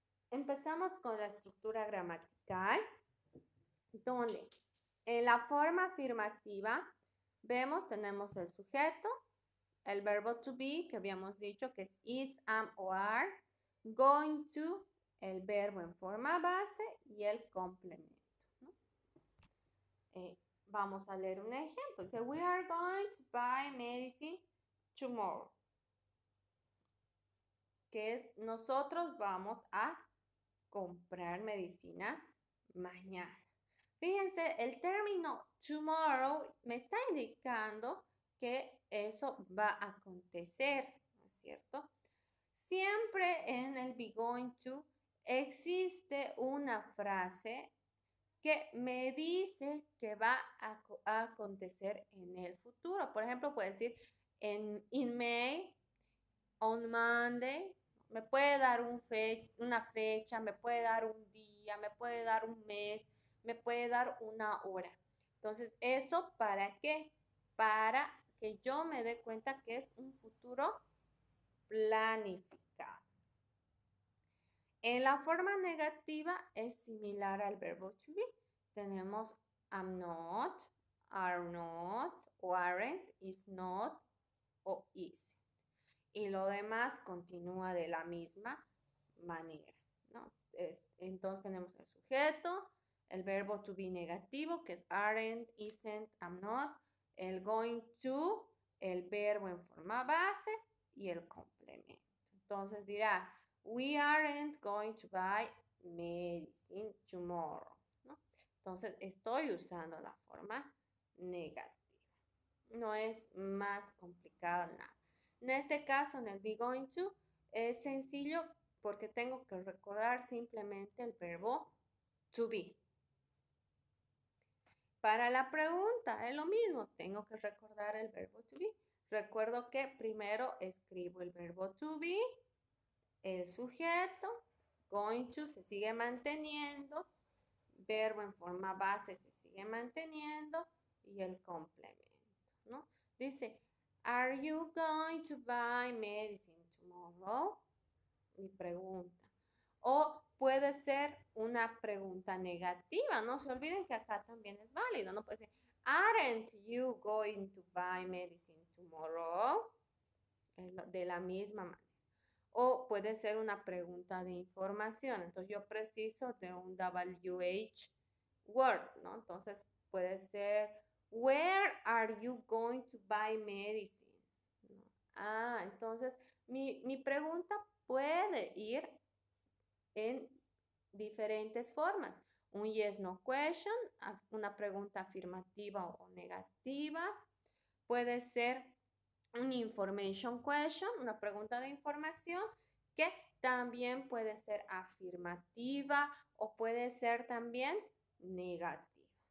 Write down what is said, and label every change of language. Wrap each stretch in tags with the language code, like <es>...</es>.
<es>Empezamos con la estructura gramatical, donde en la forma afirmativa vemos, tenemos el sujeto, el verbo to be, que habíamos dicho que es is, am o are, going to, el verbo en forma base y el complemento, ¿no? Vamos a leer un ejemplo. Dice,</es> <en>we are going to buy medicine tomorrow.</en> <es>Que es, nosotros vamos a comprar medicina mañana. Fíjense, el término tomorrow me está indicando que eso va a acontecer, ¿no es cierto? Siempre en el be going to existe una frase que me dice que va a acontecer en el futuro. Por ejemplo, puede decir</es> <en>in May, on Monday,</en> <es>me puede dar una fecha, me puede dar un día, me puede dar un mes, me puede dar una hora. Entonces, ¿eso para qué? Para que yo me dé cuenta que es un futuro planificado. En la forma negativa es similar al verbo to be. Tenemos</es> <en>am not, are not, o aren't, is not, o is.</en> <es>Y lo demás continúa de la misma manera, ¿no? Entonces tenemos el sujeto, el verbo to be negativo, que es aren't, isn't, am not, el going to, el verbo en forma base y el complemento. Entonces dirá,</es> <en>we aren't going to buy medicine tomorrow,</en> <es>¿no? Entonces estoy usando la forma negativa. No es más complicado nada. En este caso, en el be going to, es sencillo porque tengo que recordar simplemente el verbo to be. Para la pregunta es lo mismo, tengo que recordar el verbo to be. Recuerdo que primero escribo el verbo to be, el sujeto, going to se sigue manteniendo, verbo en forma base se sigue manteniendo y el complemento, ¿no? Dice,</es> <en>are you going to buy medicine tomorrow?</en> <es>Mi pregunta. O puede ser una pregunta negativa. No se olviden que acá también es válido, ¿no? Puede ser,</es> <en>aren't you going to buy medicine tomorrow?</en> <es>De la misma manera. O puede ser una pregunta de información. Entonces, yo preciso de un WH word, ¿no? Entonces, puede ser,</es> <en>where are you going to buy medicine?</en> <es>¿No? Ah, entonces, mi pregunta puede ir en diferentes formas. Un</es> <en>yes, no question,</en> <es>una pregunta afirmativa o negativa. puede ser un</es> <en>information question,</en> <es>una pregunta de información, que también puede ser afirmativa o puede ser también negativa.</es>